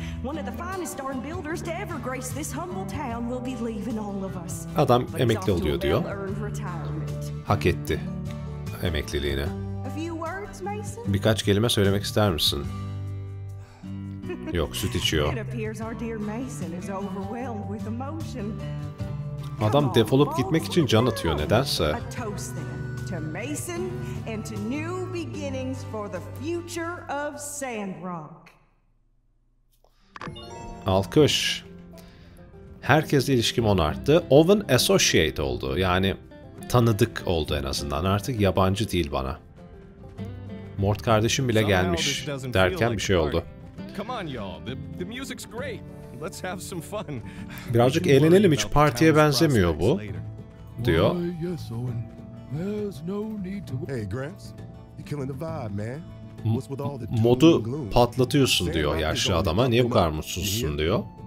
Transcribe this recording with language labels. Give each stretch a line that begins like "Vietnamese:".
English: One of the finest darn builders to ever grace this humble town will be leaving all of us.
Turkish: Adam emekli oluyor diyor. Hak etti emekliliğini.
English: A few words, Mason?
Turkish: Birkaç kelime söylemek ister misin? Yok, süt içiyor.
English: It appears our dear Mason is overwhelmed with emotion.
Turkish: Adam defolup gitmek için can atıyor nedense.
English: To Mason and to new beginnings for the future of Sandrock.
Turkish: Alkış. Herkesle ilişkim on arttı. Owen associate oldu. Yani tanıdık oldu en azından. Artık yabancı değil bana. Mort kardeşim bile gelmiş derken bir şey oldu.
English: Come on y'all. The music's great. Let's have some fun.
Turkish: Birazcık eğlenelim. Hiç partiye benzemiyor bu. Diyor.
English: There's no need to. Hey Gramps, you're killing the vibe, man.
Turkish: Modu patlatıyorsun diyor yaşlı adama. Niye bu kadar mutsuzsun diyor.